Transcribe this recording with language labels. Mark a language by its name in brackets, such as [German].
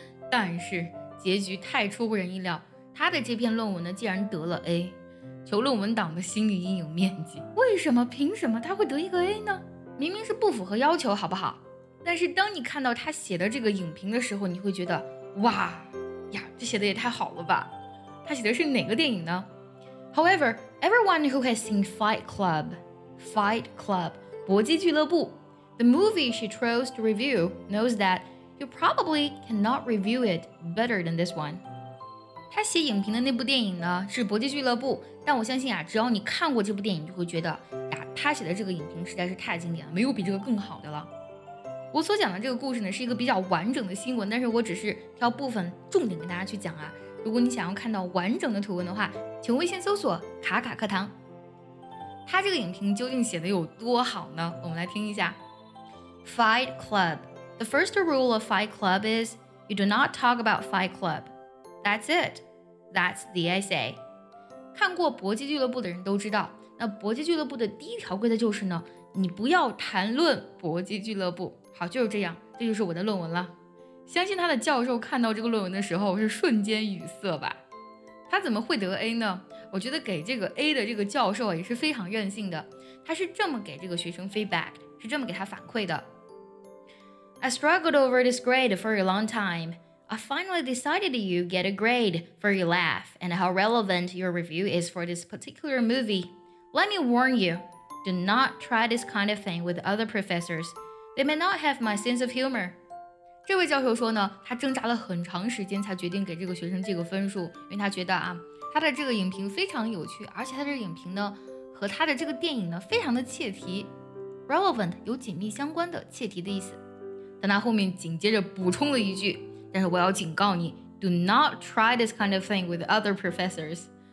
[Chinese] 但是结局太出乎人意料，他的这篇论文呢竟然得了 A，求论文党的心理阴影面积。为什么凭什么他会得一个 A 呢？明明是不符合要求好不好。但是当你看到他写的这个影评的时候，你会觉得哇呀，这写的也太好了吧。他写的是哪个电影呢？ [English] However, everyone who has seen Fight Club 搏击俱乐部 The movie she chose to review knows that you probably cannot review it better than this one. [Chinese] 他写影评的那部电影呢是《搏击俱乐部》，但我相信啊，只要你看过这部电影，就会觉得呀，他写的这个影评实在是太经典了，没有比这个更好的了。我所讲的这个故事呢，是一个比较完整的新闻，但是我只是挑部分重点跟大家去讲啊。如果你想要看到完整的图文的话，请微信搜索“卡卡课堂”。他这个影评究竟写的有多好呢？我们来听一下。Fight Club. [English] The first rule of Fight Club is you do not talk about Fight Club. That's it. That's the essay. [Chinese] 看过搏击俱乐部的人都知道，那搏击俱乐部的第一条规则就是呢，你不要谈论搏击俱乐部。好，就是这样，这就是我的论文了。相信他的教授看到这个论文的时候是瞬间语塞吧。他怎么会得 A 呢？我觉得给这个 A 的这个教授也是非常任性的。他是这么给这个学生 feedback， 是这么给他反馈的。 [English] I struggled over this grade for a long time. I finally decided you get a grade for your laugh and how relevant your review is for this particular movie. Let me warn you, do not try this kind of thing with other professors. They may not have my sense of humor. [Chinese] 这位教授说呢，他挣扎了很长时间才决定给这个学生这个分数，因为他觉得啊，他的这个影评非常有趣，而且他的影评呢和他的这个电影呢非常的切题。 Relevant 有紧密相关的切题的意思。但他后面紧接着补充了一句，但是我要警告你 [English] Do not try this kind of thing with other professors.